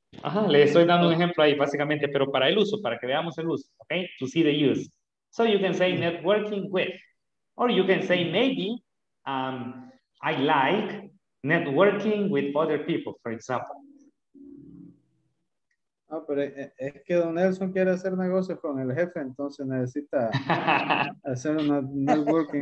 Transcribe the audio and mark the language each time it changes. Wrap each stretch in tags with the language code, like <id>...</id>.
<es>Ajá, le estoy dando un ejemplo ahí básicamente, pero para el uso, para que veamos el uso, okay?</es> <en>To see the use. So you can say networking with, or you can say maybe I like networking with other people, for example.</en> <es>No, pero es que Don Nelson quiere hacer negocios con el jefe, entonces necesita hacer una networking.</es>